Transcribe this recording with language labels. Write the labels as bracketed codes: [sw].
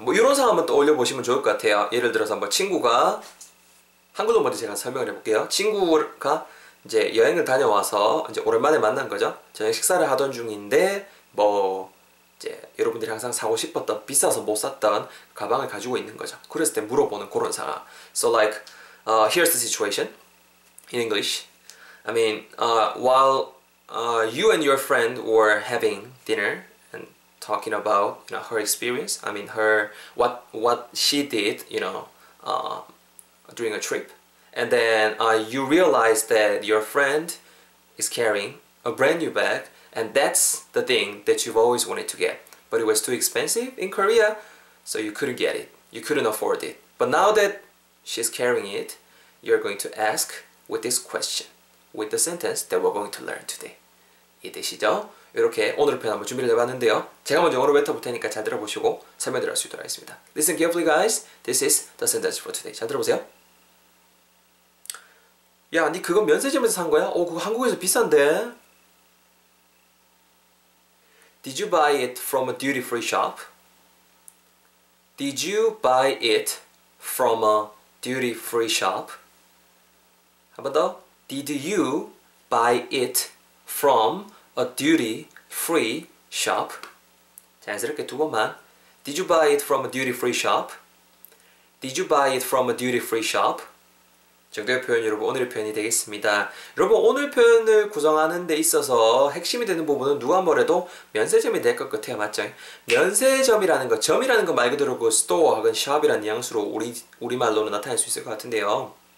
[ko] 뭐 이런 상황 한번 떠올려보시면 좋을 것 같아요. 예를 들어서 뭐 친구가 한글로 먼저 제가 설명을 해볼게요. 친구가 이제 여행을 다녀와서 이제 오랜만에 만난 거죠. 저녁 식사를 하던 중인데 뭐 이제 여러분들이 항상 사고 싶었던 비싸서 못 샀던 가방을 가지고 있는 거죠. 그랬을 때 물어보는 그런 상황. [en] So like, here's the situation in English. I mean, while you and your friend were having dinner and talking about you know, her experience, I mean her what she did, you know. During a trip, and then you realize that your friend is carrying a brand new bag, and that's the thing that you've always wanted to get, but it was too expensive in Korea, so you couldn't get it, you couldn't afford it. But now that she's carrying it, you're going to ask with this question, with the sentence that we're going to learn today. [ko] 이해되시죠? 이렇게 오늘 편 한번 준비를 해봤는데요. 제가 먼저 영어로 외쳐볼 테니까 잘 들어보시고 설명드릴 수 있도록 하겠습니다. [en] Listen carefully, guys. This is the sentence for today. [ko] 잘 들어보세요. 야, 니 그거 면세점에서 산 거야? 오, 그거 한국에서 비싼데? [en] Did you buy it from a duty-free shop? Did you buy it from a duty-free shop? [ko] 한 번 더. [en] Did you buy it from a duty-free shop? [ko] 자연스럽게 두 번만. [en] Did you buy it from a duty-free shop? Did you buy it from a duty-free shop? [ko] 정답의 표현 여러분 오늘의 표현이 되겠습니다. 여러분 오늘 표현을 구성하는 데 있어서 핵심이 되는 부분은 누가 뭐래도 면세점이 될 것 같아요. 맞죠? 면세점이라는 거, 점이라는 거 말 그대로 그 store 혹은 shop이라는 뉘앙스로 우리말로는 나타낼 수 있을 것 같은데요.